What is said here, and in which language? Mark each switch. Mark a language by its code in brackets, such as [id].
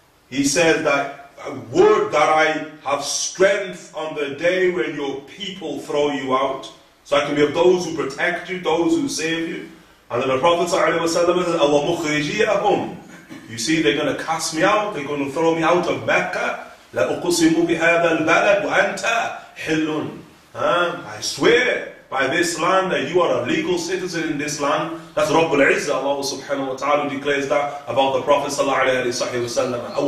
[en] He says that, would that I have strength on the day when your people throw you out, so I can be of those who protect you, those who save you. And then the Prophet ﷺ says, Allah mukhrijiyahum. You see, they're going to cast me out. They're going to throw me out of Mecca. [ar] لَأُقُسِمُ بِهَذَا الْبَلَدُ وَأَنْتَ حِلٌّ. [en] I swear by this land, that you are a legal citizen in this land. That's Rabbul Izzah, Allah subhanahu wa ta'ala declares that about the Prophet sallallahu alayhi wa sallam.